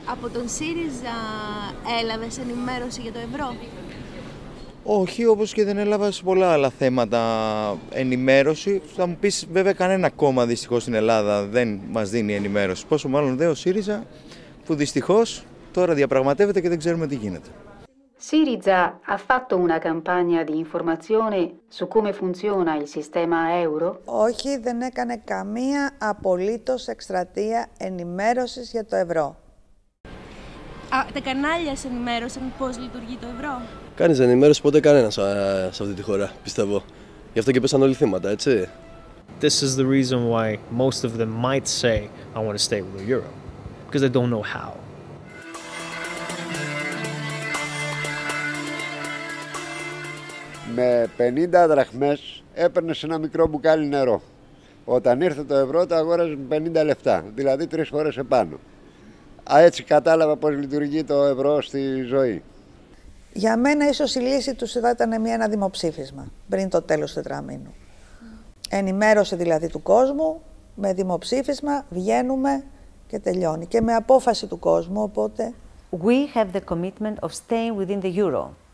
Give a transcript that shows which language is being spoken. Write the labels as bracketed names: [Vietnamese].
[Greek] Από τον ΣΥΡΙΖΑ έλαβες ενημέρωση για το ευρώ? Όχι, όπως και δεν έλαβα σε πολλά άλλα θέματα ενημέρωση. Θα μου πεις, βέβαια, κανένα κόμμα δυστυχώς στην Ελλάδα δεν μας δίνει ενημέρωση. Πόσο μάλλον δε ο ΣΥΡΙΖΑ, που δυστυχώς τώρα διαπραγματεύεται και δεν ξέρουμε τι γίνεται. [Italian] ΣΥΡΙΖΑ ha fatto una campagna di informazione su come funziona il sistema euro? [Greek] Όχι, δεν έκανε καμία απολύτως εκστρατεία ενημέρωσης για το ευρώ. Τα κανάλια σε ενημέρωσαν πώς λειτουργεί το ευρώ? Κανείς δεν ενημέρωσε ποτέ κανένα σε αυτή τη χώρα, πιστεύω. Γι' αυτό και πέσαν όλοι θύματα, έτσι. [English] This is the reason why most of them might say I want to stay with the euro. Because they don't know how. [Greek] Με 50 δραχμές έπαιρνες ένα μικρό μπουκάλι νερό. Όταν ήρθε το ευρώ το αγόραζες με 50 λεφτά, δηλαδή 3 φορές επάνω. Έτσι κατάλαβα πώς λειτουργεί το ευρώ στη ζωή. Για μένα ίσως η λύση τους θα ήταν ένα δημοψήφισμα πριν το τέλος τετραμήνου. Ενημέρωσε δηλαδή του κόσμου, με δημοψήφισμα βγαίνουμε και τελειώνει. Και με απόφαση του κόσμου, οπότε... [English] We have the commitment of staying within the euro.